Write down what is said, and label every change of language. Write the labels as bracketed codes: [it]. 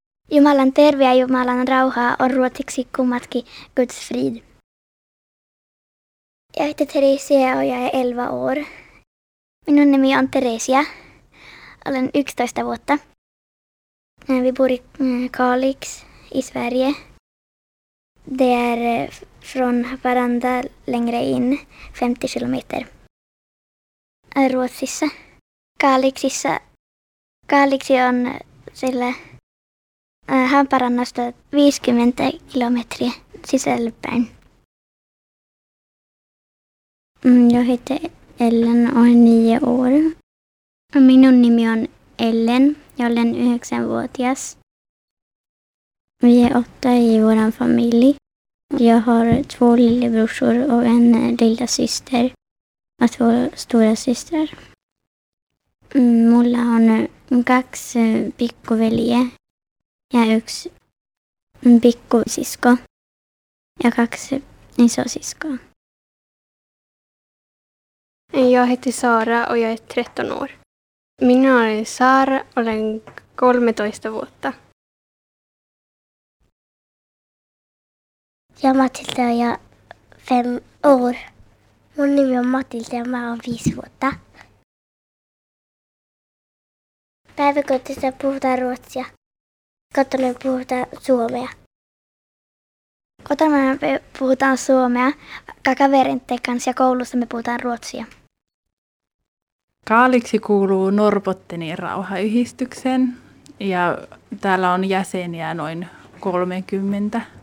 [fi] Jumalan terve ja Jumalan rauhaa on ruotsiksi kummatkin [sv] Guds frid. Jag heter Teresia och jag är 11 år. [fi] Minun nimi on Teresia. Olen 11 vuotta. [sv] Vi bor i Kalix i Sverige. Det är från Haparanda längre in, 50 kilometer. [fi] Ruotsissa. Kalixissa. Kalix on sille Haparannasta 50 kilometriä sisällepäin. [sv] Jag heter Ellen och är 9 år. [fi] Minun nimi on Ellen. [sv] Jag är 9-årig. Vi är 8 i vår familj. Jag har 2 lillebrorsor och en lilla syster. Och 2 stora systrar. [fi] Mulla on 2 pikkuveljeä ja 1 pikkusisko ja 2 isosiskoa. [sv] Jag heter Sara och jag är 13 år. Min namn är Sara och jag är 13 vuotta. Jag är Matilda och jag är 5 år. Min namn är Matilda och jag är 5 vuotta. [fi] Päiväkotissa puhutaan ruotsia. Kotona puhutaan suomea. Kotona me puhutaan suomea, kavereiden kanssa ja koulussa me puhutaan ruotsia. Kaaliksi kuuluu Norrbottenin rauhayhdistykseen ja täällä on jäseniä noin 30.